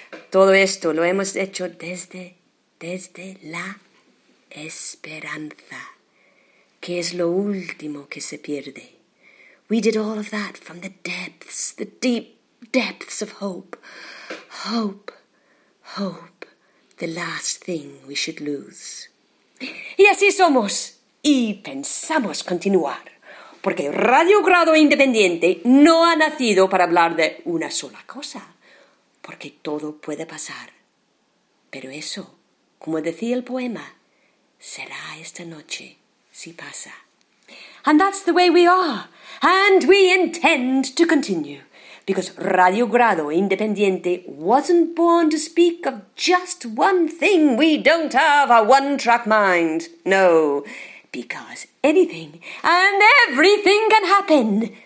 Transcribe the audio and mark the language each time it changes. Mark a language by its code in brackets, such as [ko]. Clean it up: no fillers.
[es] Todo esto lo hemos hecho desde la esperanza, que es lo último que se pierde. [en] We did all of that from the depths, the deep depths of hope. Hope, hope, the last thing we should lose. [es] Y así somos. y pensamos continuar, porque Radio Grado Independiente no ha nacido para hablar de una sola cosa, porque todo puede pasar. Pero eso, como decía el poema, será esta noche si pasa. [en] And that's the way we are, and we intend to continue, because Radio Grado Independiente wasn't born to speak of just one thing. We don't have a one-track mind, no, because anything and everything can happen.